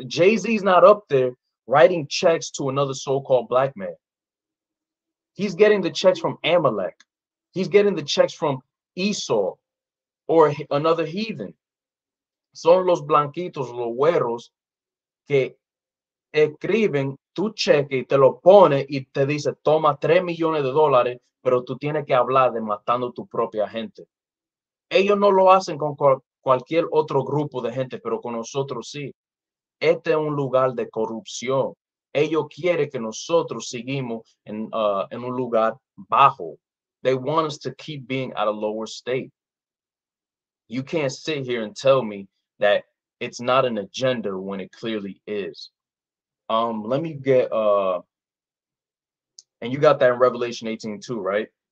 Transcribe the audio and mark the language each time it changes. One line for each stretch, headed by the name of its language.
English: Jay-Z's not up there writing checks to another so-called Black man. He's getting the checks from Amalek. He's getting the checks from Esau or another heathen.
Spanish: Son los blanquitos, los güeros, que escriben tu cheque y te lo pone y te dice, toma 3 millones de dólares, pero tú tienes que hablar de matando tu propia gente. Ellos no lo hacen con cualquier otro grupo de gente, pero con nosotros sí. Este es un lugar de corrupción. Ellos quieren que nosotros seguimos en un lugar bajo.
English: They want us to keep being at a lower state. You can't sit here and tell me that it's not an agenda when it clearly is. Let me get, and you got that in Revelation 18 too, right?